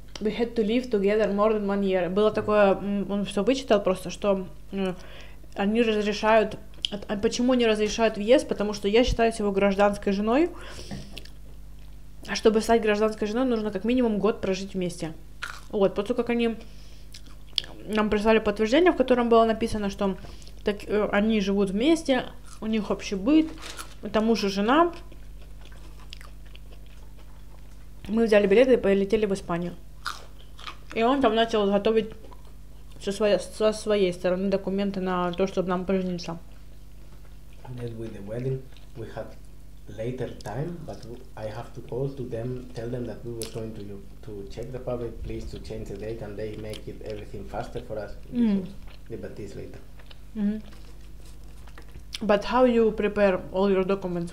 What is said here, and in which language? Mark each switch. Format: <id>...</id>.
<en>We had to live together more than one year.</en> <ru>Было такое, он все вычитал просто, что они разрешают, почему не разрешают въезд, потому что я считаю его гражданской женой. А чтобы стать гражданской женой, нужно как минимум год прожить вместе. Вот, потому как они нам прислали подтверждение, в котором было написано, что так, они живут вместе, у них общий быт, это муж и жена. Мы взяли билеты и полетели в Испанию. И он там начал готовить со своей стороны документы на то, чтобы нам пожениться.</ru> <en>And then with the wedding, we had later time, but I have to call to them, tell them that we were going to Czech Republic, please to change the date, and they make it everything faster for us. Mm-hmm. But this later. Mm-hmm. But how you prepare all your documents?</en>